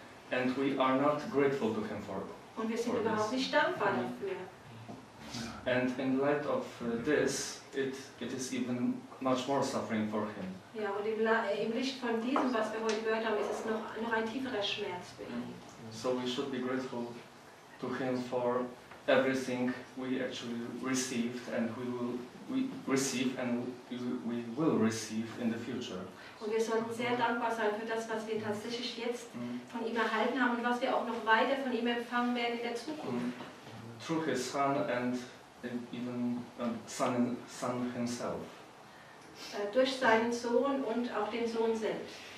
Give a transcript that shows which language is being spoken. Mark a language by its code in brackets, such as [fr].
[en] And we are not grateful to Him for it. [de] Und wir sind überhaupt nicht dankbar dafür. [en] And in light of this, it is even much more suffering for Him. [de] Ja, und im Licht von diesem, was wir heute gehört haben, ist es noch ein tieferer Schmerz für ihn. [en] So we should be grateful to Him for everything we actually received and we will receive in the future. [de] Und wir sollten sehr dankbar sein für das, was wir tatsächlich jetzt von ihm erhalten haben und was wir auch noch weiter von ihm empfangen werden in der Zukunft. [en] Through His Son and even Son Himself. [de] Durch seinen Sohn und auch den Sohn selbst.